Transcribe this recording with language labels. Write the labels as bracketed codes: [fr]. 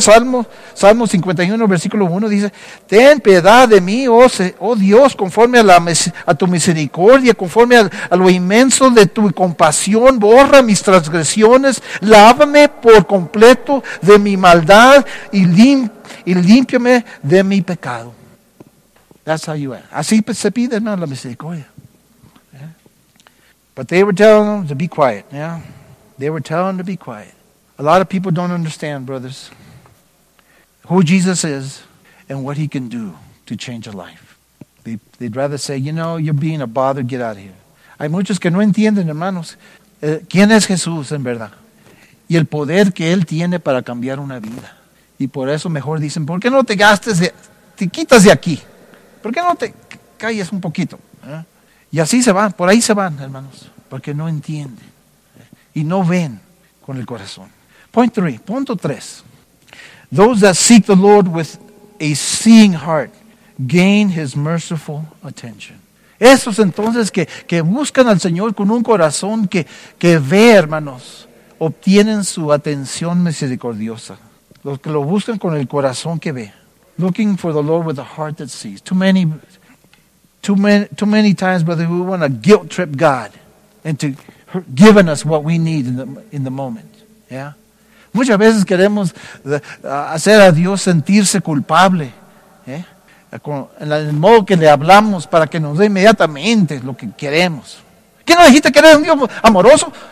[es] Salmo 51, versículo 1 dice, ten piedad de mí, oh Dios, conforme a tu misericordia, conforme a lo inmenso de tu compasión, borra mis transgresiones, lávame por completo de mi maldad y límpiame de mi pecado. [en] That's how you are. [es] Así se pide, hermano, la misericordia. [en] Yeah. But they were telling them to be quiet. Yeah. They were telling them to be quiet. A lot of people don't understand, brothers, who Jesus is and what he can do to change a life. They'd rather say, you know, you're being a bother, get out of here. [es] Hay muchos que no entienden, hermanos, quién es Jesús en verdad y el poder que él tiene para cambiar una vida. Y por eso mejor dicen, ¿por qué no te gastes, te quitas de aquí? ¿Por qué no te calles un poquito? Y así se van, por ahí se van, hermanos, porque no entienden y no ven con el corazón. Punto tres. [en] Those that seek the Lord with a seeing heart gain his merciful attention. [es] Esos entonces que buscan al Señor con un corazón que ve, hermanos, obtienen su atención misericordiosa. Los que lo buscan con el corazón que ve. [en] Looking for the Lord with a heart that sees. Too many Too many times, brother, we want to guilt trip God into giving us what we need in the moment. Yeah. [es] Muchas veces queremos hacer a Dios sentirse culpable. ¿Eh? En el modo que le hablamos para que nos dé inmediatamente lo que queremos. ¿Qué nos dijiste que eres un Dios amoroso?